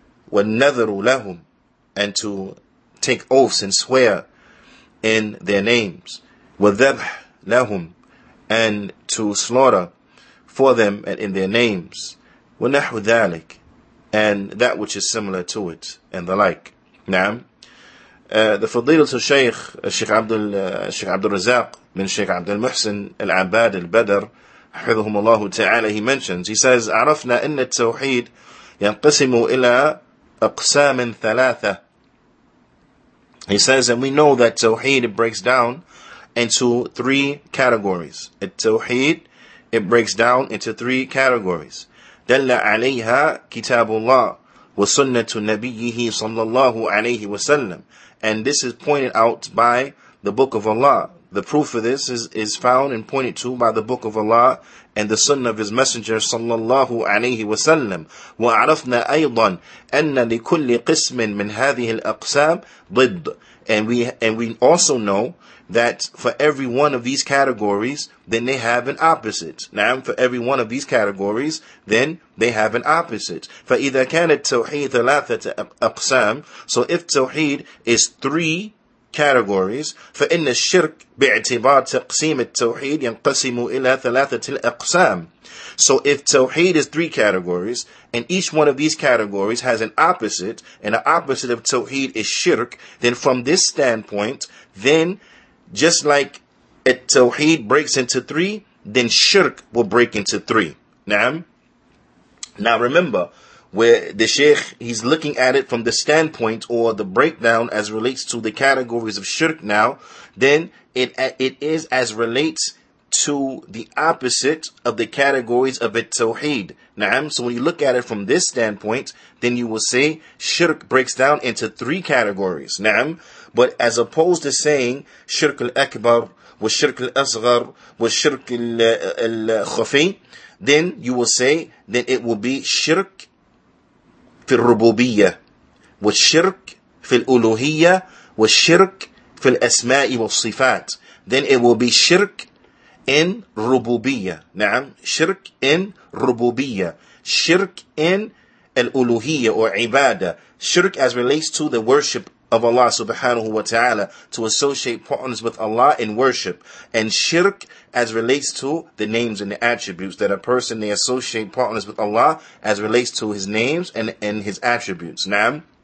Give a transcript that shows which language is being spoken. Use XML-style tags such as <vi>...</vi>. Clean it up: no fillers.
<ar>وَالنَّذَرُ لَهُمْ,</ar> <en>and to take oaths and swear in their names.</en> <ar>وَالذَبْحُ لَهُمْ,</ar> <en>and to slaughter for them and in their names.</en> <ar>وَنَحْوُ ذَلِكَ,</ar> <en>and that which is similar to it and the like.</en> <ar>Naam.</ar> <en>The Fadilatul to Shaykh, Shaykh Abdul Razak,</en> <ar>من شيخ عبد المحسن العباد البدر حفظهم الله تعالى,</ar> <en>he mentions, he says,</en> <ar>عرفنا أن التوحيد ينقسم إلى أقسام ثلاثة.</ar> <en>He says, and we know that توحيد, it breaks down into three categories. التوحيد, it breaks down into three categories.</en> <ar>دل عليها كتاب الله وسنة نبيه صلى الله عليه وسلم.</ar> <en>And this is pointed out by the book of Allah. The proof of this is found and pointed to by the book of Allah and the sunnah of his messenger, sallallahu alayhi wa sallam.</en> <ar>وَعَرَفْنَا أَيْضًا أَنَّ لِكُلِّ قِسْمٍ مِنْ هَذِهِ الْأَقْسَامِ ضِدْ.</ar> <en>And we also know that for every one of these categories, then they have an opposite. Now, for every one of these categories, then they have an opposite.</en> <ar>فَإِذَا كَانَ التَّوْحِيدُ ثَلَاثَةَ أَقْسَامٍ.</ar> <en>So if tawheed is three categories,</en> <ar>فإن الشرك باعتبار تقسيم التوحيد ينقسم إلى ثلاثة الأقسام.</ar> <en>So if توحيد is three categories, and each one of these categories has an opposite, and the opposite of توحيد is shirk, then from this standpoint, then just like التوحيد breaks into three, then shirk will break into three. Now remember, where the Sheikh, he's looking at it from the standpoint or the breakdown as relates to the categories of shirk now, then it is as relates to the opposite of the categories of at-tawheed. Na'am. So when you look at it from this standpoint, then you will say shirk breaks down into three categories. Na'am. But as opposed to saying shirk al-akbar, wa shirk al-asghar, wa shirk al-khafi, then you will say that it will be shirk</en> <ar>في الربوبية والشرك في الألوهية والشرك في الأسماء والصفات.</ar> <en>Then it will be شرك in ربوبية.</en> <ar>نعم. شرك in ربوبية. شرك in الألوهية or عبادة.</ar> <en>شرك as relates to the worship of Allah subhanahu wa ta'ala, to associate partners with Allah in worship. And shirk as relates to the names and the attributes that a person, they associate partners with Allah as relates to his names and his attributes. Naam.</en>